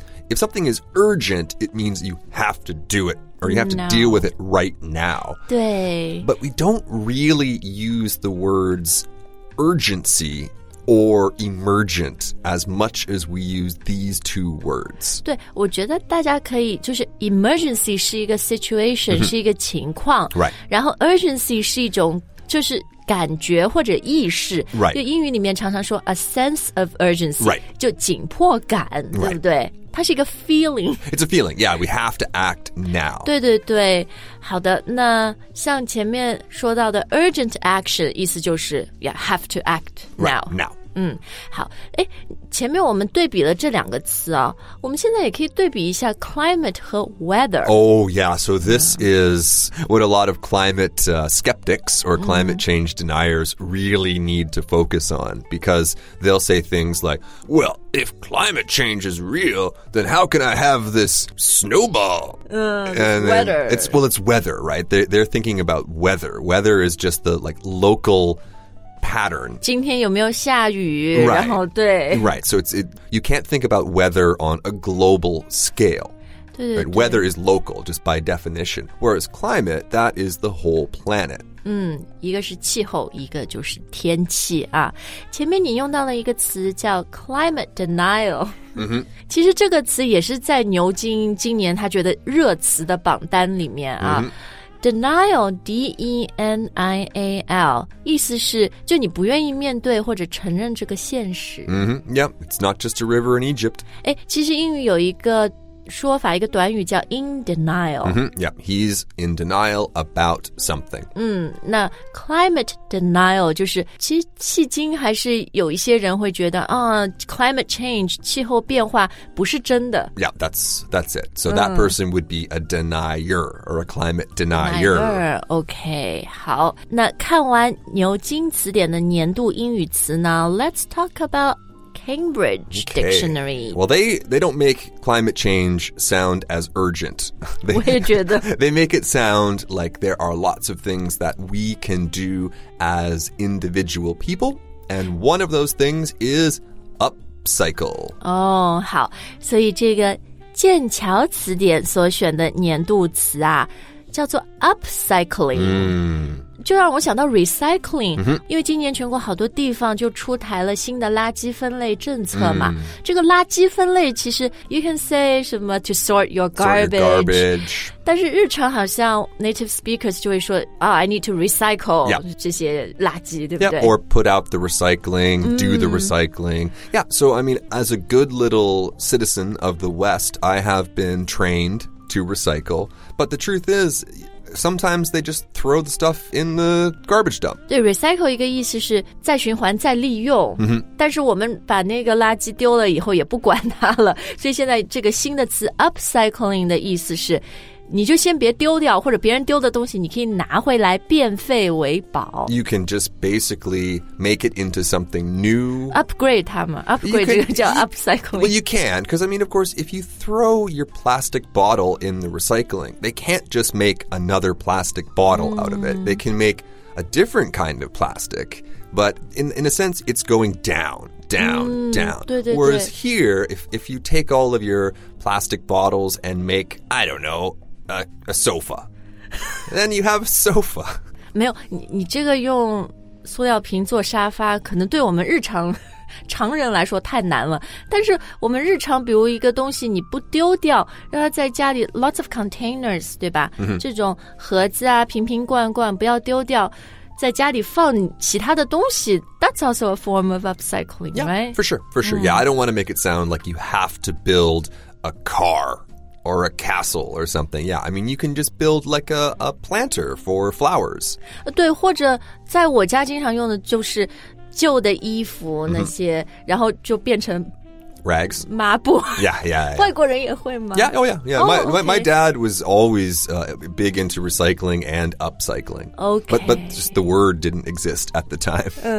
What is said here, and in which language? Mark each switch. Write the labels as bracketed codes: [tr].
[en] If something is urgent, it means you have to do it, or you have to deal with it right now. [zh] 对。 [en] But we don't really use the words urgency or emergent as much as we use these two words. [zh] 对，我觉得大家可以，就是 emergency 是一个 situation, 是一个情况。 [en] Right. [zh] 然后 urgency 是一种就是感觉或者意识、 [en] right. [zh] 就英语里面常常说 [en] a sense of urgency、 right. [zh] 就紧迫感、 [en] right. [zh] 对不对它是一个 feeling [en] It's a feeling, yeah, we have to act now [zh] 对对对好的那像前面说到的 urgent action 意思就是 [en] yeah, have to act now、 right. now [zh] 好诶前面我们对比了这两个词啊、哦、我们现在也可以对比一下 climate 和 weather. [en] Oh yeah, so this is what a lot of climate、skeptics or climate change deniers really need to focus on because they'll say things like, well, if climate change is real, then how can I have this snowball? And weather. It's weather, right? They're thinking about weather. Weather is just the like, local... pattern. [zh] 今天有没有下雨 [en] right. [zh] 然后对 [en] right. So it's, you can't think about weather on a global scale. [zh] 对对对 [en] right? Weather is local just by definition. Whereas climate, that is the whole planet. [zh] 一个是气候一个就是天气啊。前面你用到了一个词叫 climate denial. 其实这个词也是在牛津今年他觉得热词的榜单里面啊。 Denial, D-E-N-I-A-L, 意思是就你不愿意面对或者承认这个现实。 [en] Yeah, it's not just a river in Egypt. [zh] 其实英语有一个说法一个短语叫 in denial、 mm-hmm. [en] Yeah, he's in denial about something、 [zh] 那 climate denial 就是其实迄今还是有一些人会觉得、climate change 气候变化不是真的 [en] Yeah, that's it So that person would be a denier Or a climate denier [zh] OK, 好那看完牛津词典的年度英语词呢 [en] Let's talk aboutCambridge Dictionary. Okay. Well, they don't make climate change sound as urgent. They make it sound like there are lots of things that we can do as individual people. And one of those things is upcycle. [zh] Oh, 好。所以这个剑桥词典所选的年度词啊叫做 upcycling、就让我想到 recycling、因为今年全国好多地方就出台了新的垃圾分类政策嘛、这个垃圾分类其实 [en] you can say [zh] 什么 [en] to sort your garbage [zh] 但是日常好像 native speakers 就会说、 [en] I need to recycle、 [zh] 这些垃圾对不对、 [en] or put out the recycling、do the recycling yeah so I mean as a good little citizen of the west I have been trainedTo recycle, but the truth is, sometimes they just throw the stuff in the garbage dump. [zh] 对 recycle 一个意思是再循环再利用、但是我们把那个垃圾丢了以后也不管它了，所以现在这个新的词 upcycling 的意思是你就先别丢掉，或者别人丢的东西你可以拿回来变废为宝。 [en] You can just basically make it into something new. [zh] Upgrade 它嘛 ,upgrade 这个叫 upcycling. [en] Well, you can, because I mean, of course, if you throw your plastic bottle in the recycling, they can't just make another plastic bottle out of it. They can make a different kind of plastic, but in a sense, it's going down. down. 对对对 Whereas here, if you take all of your plastic bottles and make, I don't know, a sofa, then you have a sofa. [zh] 没有 你这个用塑料瓶做沙发可能对我们日常常人来说太难了。但是我们日常比如一个东西你不丢掉让它在家里 [en] lots of containers, [zh] 对吧、这种盒子啊瓶瓶罐罐不要丢掉。在家里放其他的东西 [en] That's also a form of upcycling, yeah, right? For sure.、Yeah, I don't want to make it sound like you have to build a car or a castle or something. Yeah, I mean, you can just build like a planter for flowers. [zh] 对，或者在我家经常用的就是旧的衣服那些、然后就变成 [en] Rags. [zh] 抹布 [en] Yeah. [zh] 外国人也会吗 [en] Yeah, oh yeah. Yeah. Oh, okay. My dad was always、big into recycling and upcycling. Okay. But just the word didn't exist at the time.、